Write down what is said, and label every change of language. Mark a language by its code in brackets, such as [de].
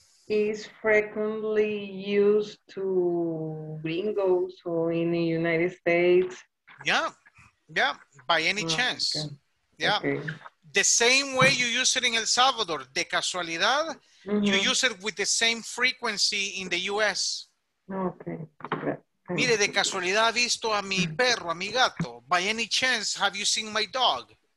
[en] is frequently used to gringos or in the United States? Yeah, yeah, by any chance. Okay. Yeah, okay. The same way you use it in El Salvador, de casualidad, mm-hmm. you use it with the same frequency in the US. Okay. Yeah. [es] Mire, de casualidad, ¿ha visto a mi perro, a mi gato? [en] By any chance, have you seen my dog?